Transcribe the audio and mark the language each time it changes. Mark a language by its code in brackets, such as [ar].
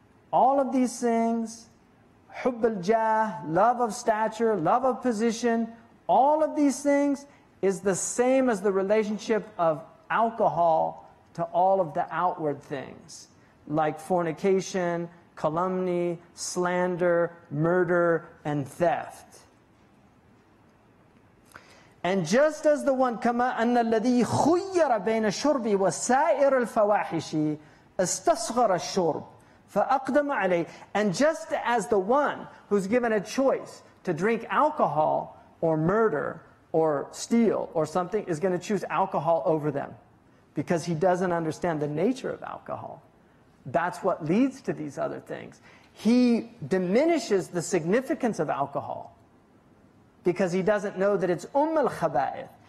[en] all of these things, [ar] حب الجاه, [en] love of stature, love of position, all of these things is the same as the relationship of alcohol to all of the outward things, like fornication, calumny, slander, murder, and theft. And just as the one [ar] كما أن الذي خير بين الشرب وسائر الفواحش استصغر الشرب فأقدم عليه. [en] And just as the one who's given a choice to drink alcohol or murder or steal or something is going to choose alcohol over them, because he doesn't understand the nature of alcohol. That's what leads to these other things. He diminishes the significance of alcohol, because he doesn't know that it's al-khaba'ith.